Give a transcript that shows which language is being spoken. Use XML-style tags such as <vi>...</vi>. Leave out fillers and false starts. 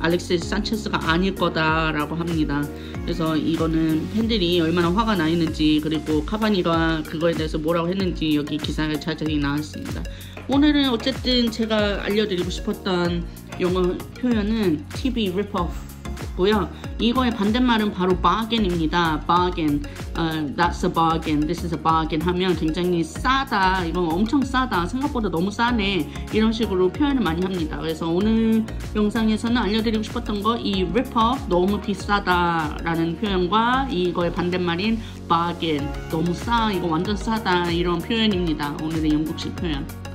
<ko>알렉시스 산체스가 아닐 거다 라고 합니다. 그래서 이거는 팬들이 얼마나 화가 나 있는지 그리고 카바니가 그거에 대해서 뭐라고 했는지 여기 기사에 자세히 나왔습니다. 오늘은 어쨌든 제가 알려드리고 싶었던 영어 표현은 TV rip-off고요. 이거의 반대말은 바로 bargain입니다.</ko> <en>Bargain. That's a bargain. This is a bargain</en> <ko>하면 굉장히 싸다. 이건 엄청 싸다. 생각보다 너무 싸네. 이런 식으로 표현을 많이 합니다. 그래서 오늘 영상에서는 알려드리고 싶었던 거 이 rip-off 너무 비싸다 라는 표현과 이거의 반대말인 bargain 너무 싸. 이거 완전 싸다. 이런 표현입니다. 오늘의 영국식 표현.</ko>